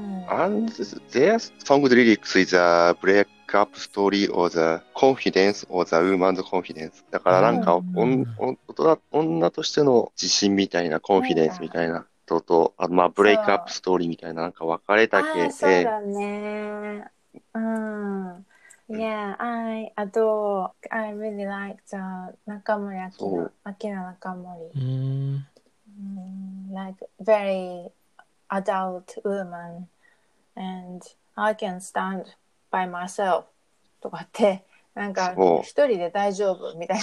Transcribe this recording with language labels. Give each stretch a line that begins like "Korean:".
English: And their song lyrics is a breakup story or the confidence or the woman's confidence.
Japanese: だからなんか女としての自信みたいな、コンフィデンスみたいなとと、あとまあブレイクアップストーリーみたいな、なんか別れた系。そうだね。
English: Yeah, I adore. I really like the Nakamura Akira Nakamori. Like very adult woman, and I can stand by myself.
Japanese: とかって、なんか一人で大丈夫みたいな。